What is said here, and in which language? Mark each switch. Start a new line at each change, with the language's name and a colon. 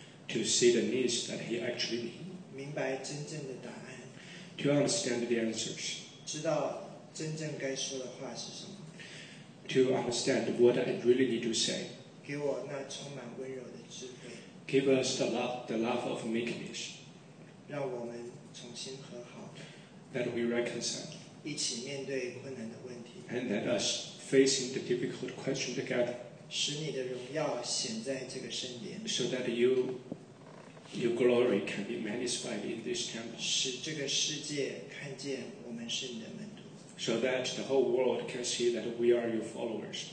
English: To see the needs that he actually needs.
Chinese: 明白真正的答案。
English: To understand the answers.
Chinese: 知道真正该说的话是什么。
English: To understand what I really need to say.
Chinese: 给我那充满温柔的智慧。
English: Give us the love of meekness.
Chinese: 让我们重新和好。
English: That we reconcile.
Chinese: 一起面对困难的问题。
English: And let us facing the difficult question together.
Chinese: 使你的荣耀显在这个圣殿。
English: So that your glory can be manifested in this temple.
Chinese: 使这个世界看见我们是你的门徒。
English: So that the whole world can see that we are your followers.